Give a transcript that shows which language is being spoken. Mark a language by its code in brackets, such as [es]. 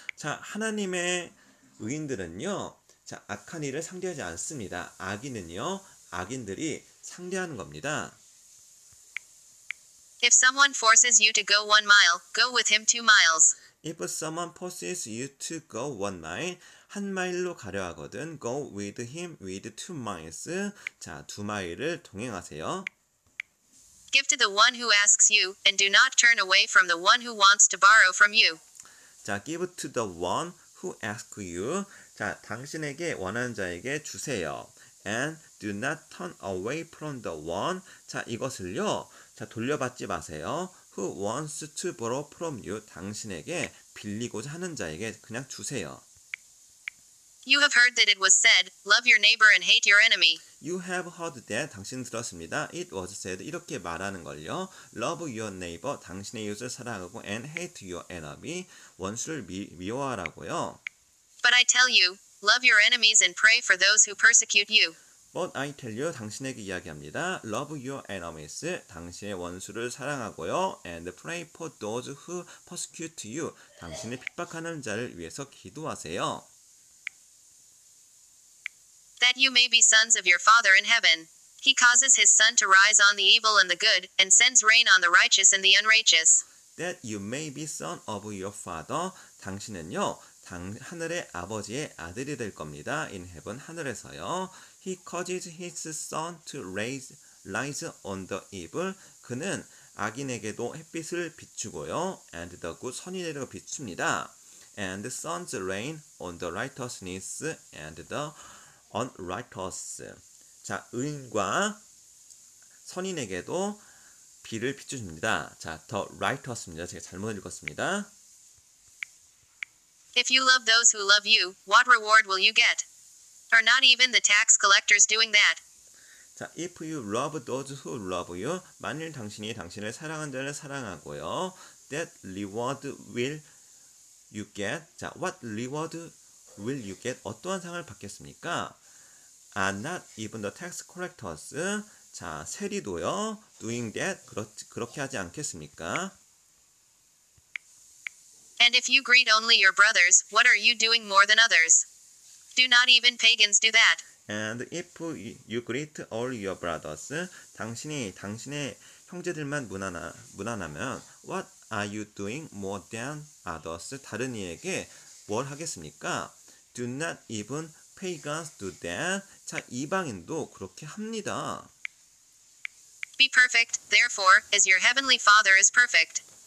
[ko] 자, 하나님의 의인들은요, 자, 악한 일을 상대하지 않습니다. 악인은요, 악인들이 상대하는 겁니다. [en] If someone forces you to go 1 mile, go with him 2 miles. If someone forces you to go 1 mile, [ko] 한 마일로 가려 하거든, [en] go with him with 2 miles. [ko] 자, 두 마일을 동행하세요. [en] Give to the one who asks you, and do not turn away from the one who wants to borrow from you. 자, give to the one who asks you. [ko] 자, 당신에게 원하는 자에게 주세요. [en] And do not turn away from the one. [ko] 자, 이것을요, 자, 돌려받지 마세요. [en] Who wants to borrow from you? [ko] 당신에게 빌리고자 하는 자에게 그냥 주세요. [en] You have heard that it was said, love your neighbor and hate your enemy. You have heard that, [ko] 당신 들었습니다. [en] It was said, [ko] 이렇게 말하는 걸요. [en] Love your neighbor, [ko] 당신의 이웃을 사랑하고, [en] and hate your enemy, [ko] 원수를 미워하라고요. [en] But I tell you, love your enemies and pray for those who persecute you. But I tell you, [ko] 당신에게 이야기합니다. [en] Love your enemies, [ko] 당신의 원수를 사랑하고요. [en] And pray for those who persecute you, [ko] 당신을 핍박하는 자를 위해서 기도하세요. [en] That you may be sons of your Father in heaven. He causes his sun to rise on the evil and the good, and sends rain on the righteous and the unrighteous. That you may be son of your Father, [ko] 당신은요, 하늘의 아버지의 아들이 될 겁니다. [en] In heaven, [ko] 하늘에서요. [en] He causes his sun to rise on the evil. [ko] 그는 악인에게도 햇빛을 비추고요. [en] And the good [ko] 선인에게도 비춥니다. [en] And sends rain on the righteousness and the unrighteous. [ko] 자, 의인과 선인에게도 비를 비춥니다. 자, [en] the righteous [ko] 입니다. 제가 잘못 읽었습니다. [en] If you love those who love you, what reward will you get? Are not even the tax collectors doing that? 자, if you love those who love you, [ko] 만일 당신이 당신을 사랑한 자를 사랑하고요, [en] that reward will you get? 자, what reward will you get? [ko] 어떠한 상을 받겠습니까? [en] Are not even the tax collectors? 자, [ko] 세리도요, [en] doing that? [ko] 그렇게 하지 않겠습니까? [en] And if you greet only your brothers, what are you doing more than others? Do not even pagans do that. And if you greet all your brothers, [ko] 당신의 형제들만 무난하면, [en] what are you doing more than others? [ko] 다른 이에게 뭘 하겠습니까? [en] Do not even pagans do that. [ko] 자, 이방인도 그렇게 합니다. [en] Be perfect, therefore, as your heavenly Father is perfect.